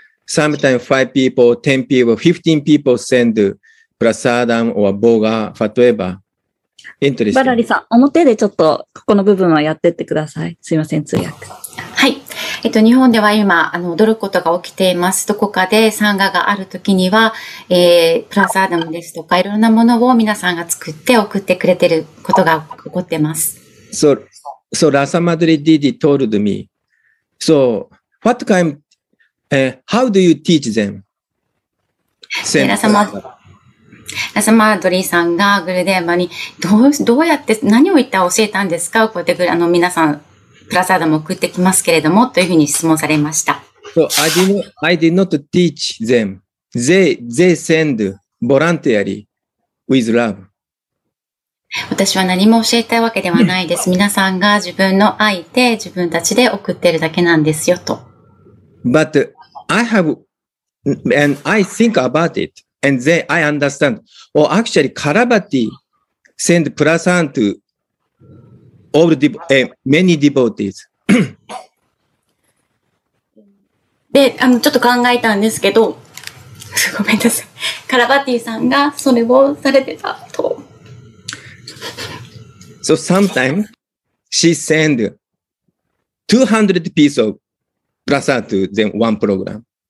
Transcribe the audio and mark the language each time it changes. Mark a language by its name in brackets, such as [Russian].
[English] Sometimes 5 people, 10 people, 15 people send prasadam or boga, whatever. [Japanese] バラリさん、表でちょっとここの部分はやってってください。すいません、通訳。はい。日本では今、踊ることが起きています。どこかで参加があるときには、プラザーダムですとか、いろんなものを皆さんが作って送ってくれてることが起こってます。 [English] So, so, Rasa Madre Didi told me, so, what kind, how do you teach them? [Japanese] ラサマードリーさんがグルデーバにどうやって何を言ったら教えたんですか、こうやって皆さんプラサードも送ってきますけれどもというふうに質問されました。 [English] So I did not teach them. They send voluntarily with love. [Japanese] 私は何も教えたわけではないです。皆さんが自分の愛で自分たちで送ってるだけなんですよと。 [English] But I have and I think about it and then I understand. Oh, actually, Karabati send prasan to all the many devotees. [Japanese] で、ちょっと考えたんですけど、ごめんなさい。カラバティさんがそれをされてたと。 [English] So sometimes she send 200 pieces of prasad to them one program.